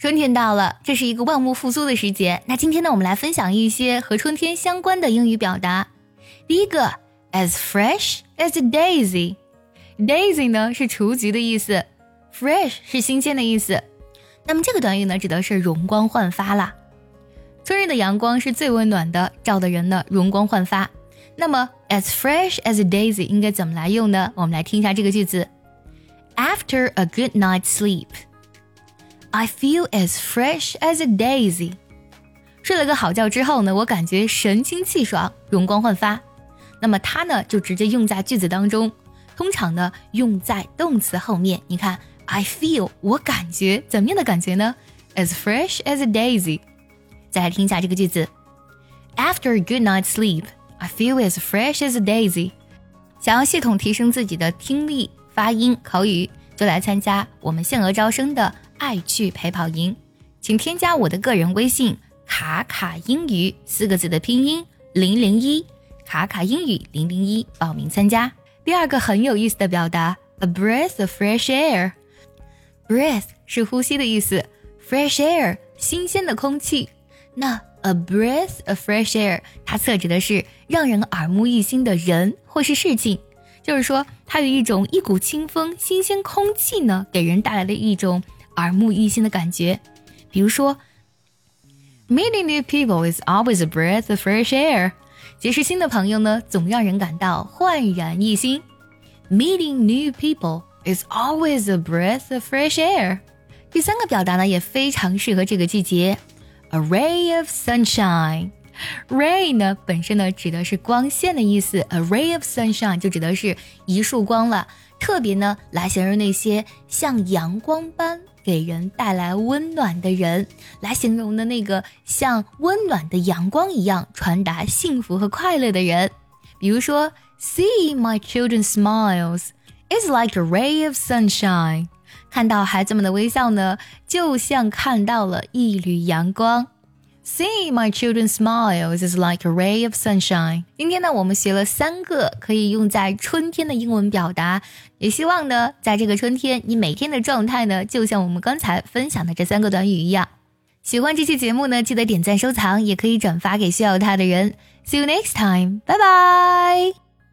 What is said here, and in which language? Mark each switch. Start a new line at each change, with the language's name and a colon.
Chinese: 春天到了，这是一个万物复苏的时节。那今天呢，我们来分享一些和春天相关的英语表达。第一个 ,
English: as fresh as a daisy。
Chinese: Daisy 呢是雏菊的意思 ,fresh 是新鲜的意思。那么这个短语呢指的是容光焕发啦。春日的阳光是最温暖的，照的人呢容光焕发。那么 ,as fresh as a daisy 应该怎么来用呢？我们来听一下这个句子。
English: After a good night's sleep, I feel as fresh as a daisy.
Chinese: 睡了个好觉之后呢，我感觉神清气爽，容光焕发。那么它呢就直接用在句子当中。通常呢用在动词后面，你看
English: I feel
Chinese: 我感觉怎么样的感觉呢？
English: As fresh as a daisy。
Chinese: 再来听一下这个句子。
English: After a good night's sleep I feel as fresh as a daisy。
Chinese: 想要系统提升自己的听力、发音、口语，就来参加我们限额招生的爱趣陪跑营，请添加我的个人微信卡卡英语四个字的拼音001，卡卡英语001，报名参加。第二个很有意思的表达
English: A breath of fresh air。
Chinese: Breath 是呼吸的意思， Fresh air 新鲜的空气。那
English: A breath of fresh air
Chinese: 它侧指的是让人耳目一新的人或是事情，就是说它有一种一股清风新鲜空气呢给人带来的一种耳目一新的感觉。比如说
English: Meeting new people is always a breath of fresh air，
Chinese: 结识新的朋友呢总让人感到焕然一新。
English: Meeting new people is always a breath of fresh air。
Chinese: 第三个表达呢也非常适合这个季节，
English: A ray of sunshine。
Chinese: Ray 呢本身呢指的是光线的意思，
English: A ray of sunshine
Chinese: 就指的是一束光了，特别呢来形容那些像阳光般给人带来温暖的人，来形容的那个像温暖的阳光一样传达幸福和快乐的人。比如说
English: See my children's smiles is like a ray of sunshine，
Chinese: 看到孩子们的微笑呢就像看到了一缕阳光。
English: See my children's smiles is like a ray of sunshine。
Chinese: 今天呢我们学了三个可以用在春天的英文表达，也希望呢在这个春天你每天的状态呢就像我们刚才分享的这三个短语一样。喜欢这期节目呢记得点赞收藏，也可以转发给需要它的人。
English: See you next time，
Chinese: 拜拜。